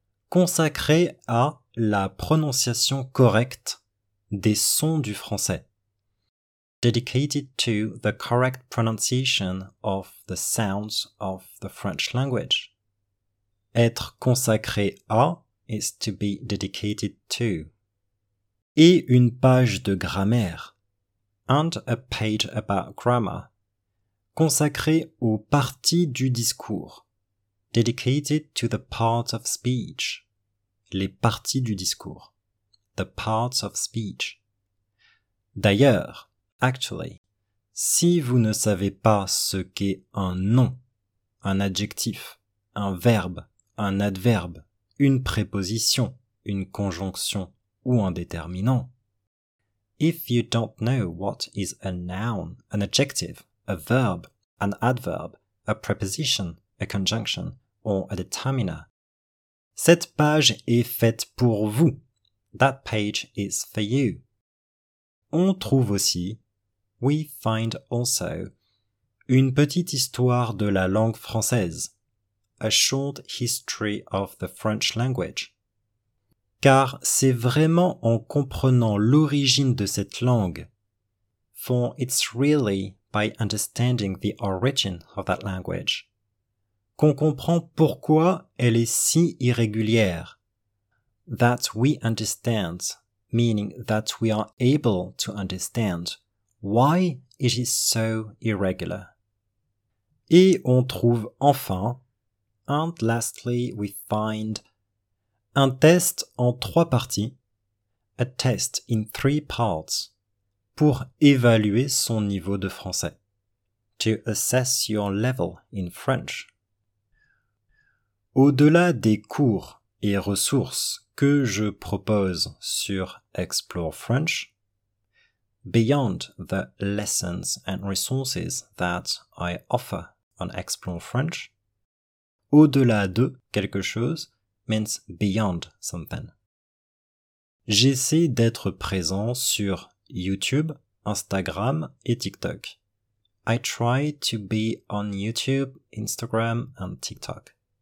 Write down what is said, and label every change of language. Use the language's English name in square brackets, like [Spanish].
[French] consacrée à la prononciation correcte des sons du français, [English] dedicated to the correct pronunciation of the sounds of the French language. [French] Être consacré à [English] is to be dedicated to. [French] Et une page de grammaire. [English] And a page about grammar. [French] Consacrée aux parties du discours. [English] Dedicated to the parts of speech. [French] Les parties du discours. [English] The parts of speech. [French] D'ailleurs, [English] actually, [French] si vous ne savez pas ce qu'est un nom, un adjectif, un verbe, un adverbe, une préposition, une conjonction ou un déterminant. [English] If you don't know what is a noun, an adjective, a verb, an adverb, a preposition, a conjunction, or a determiner. [French] Cette page est faite pour vous. [English] That page is for you. [French] On trouve aussi, [English] we find also, [French] une petite histoire de la langue française. [English] A short history of the French language. [French] Car c'est vraiment en comprenant l'origine de cette langue. [English] For it's really by understanding the origin of that language. [French] Qu'on comprend pourquoi elle est si irrégulière. [English] That we understand, meaning that we are able to understand, why it is so irregular. [French] Et on trouve enfin, [English] and lastly, we find [French] un test en trois parties, [English] a test in three parts, [French] pour évaluer son niveau de français, [English] to assess your level in French. [French] Au-delà des cours et ressources que je propose sur Explore French, [English] beyond the lessons and resources that I offer on Explore French, [French] au-delà de quelque chose [English] means beyond something. [French] J'essaie d'être présent sur YouTube, Instagram et TikTok. [English] I try to be on YouTube, Instagram and TikTok.